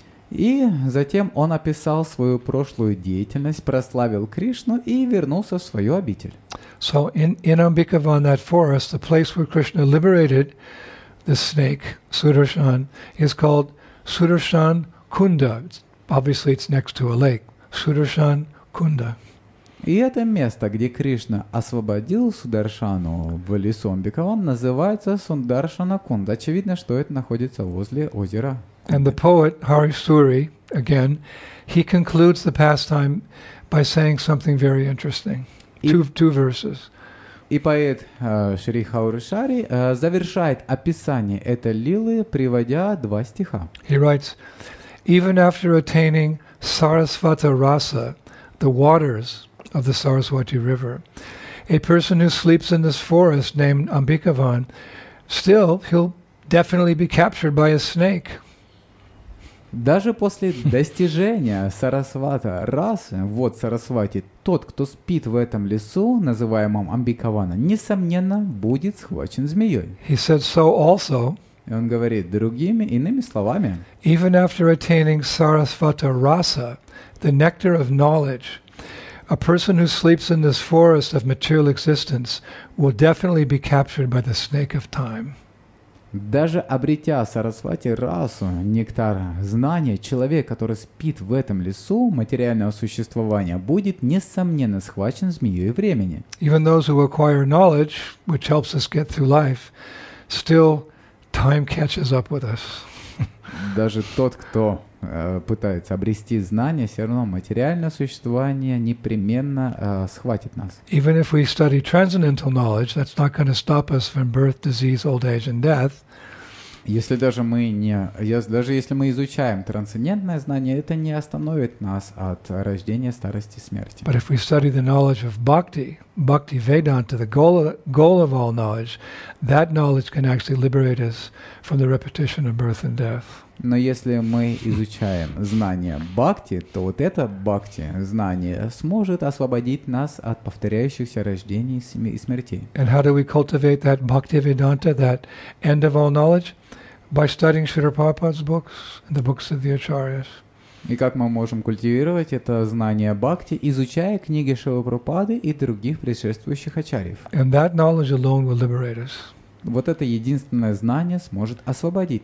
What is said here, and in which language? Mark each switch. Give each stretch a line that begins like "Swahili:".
Russian: И затем он описал свою прошлую деятельность, прославил Кришну и вернулся в свою обитель.
English: So in Ambikavan, that forest, the place where Krishna liberated the snake, Sudarshan, is called Sudarshan Kunda. Obviously, it's next to a lake. Sudarshan Kunda.
Russian: И это место, где Кришна освободил Сударшану в лесу Амбикаван, называется Сударшана Кунда. Очевидно, что это находится возле озера.
English: And the poet Hari Suri, again, he concludes the pastime by saying something very interesting. Two verses.
Russian: И поэт Шри Хаурушари завершает описание этой лилы, приводя два стиха.
English: He writes, even after attaining Sarasvata Rasa, the waters of the Saraswati River, a person who sleeps in this forest named Ambikavan, still he'll definitely be captured by a snake.
Russian: Даже после достижения Сарасвата расы, вот Сарасвати, тот, кто спит в этом лесу, называемом Амбикавана, несомненно, будет схвачен змеей.
English: He said so also.
Russian: И он говорит другими, иными словами.
English: Even after attaining Sarasvata rasa, the nectar of knowledge, a person who sleeps in this forest of material existence will definitely be captured by the snake of time.
Russian: Даже обретя Сарасвати расу, нектар знания, человек, который спит в этом лесу материального существования, будет несомненно схвачен змеёй времени.
English: Even those who acquire knowledge, which helps us get through life, still time catches up with us.
Russian: Даже тот, кто пытается обрести знания, все равно материальное существование непременно схватит нас.
English: Even if we study transcendental knowledge, that's not going to stop us from birth, disease, old age, and death.
Russian: Если мы изучаем трансцендентное знание, это не остановит нас от рождения, старости, смерти.
English: But if we study the knowledge of bhakti vedanta, the goal of all knowledge, that knowledge can actually liberate us from the repetition of birth and death.
Russian: Но если мы изучаем знания бхакти, то вот это бхакти, знание, сможет освободить нас от повторяющихся рождений и смертей.
English: And how do we cultivate that bhakti vedanta, that end of all knowledge? By studying Śrīla Prabhupāda's books and the books of the acharyas.
Russian: И как мы можем культивировать это знание бхакти, изучая книги Шрилы Прабхупады и других предшествующих ачарьев?
English: And that knowledge alone will liberate us.
Russian: Вот это единственное знание сможет освободить.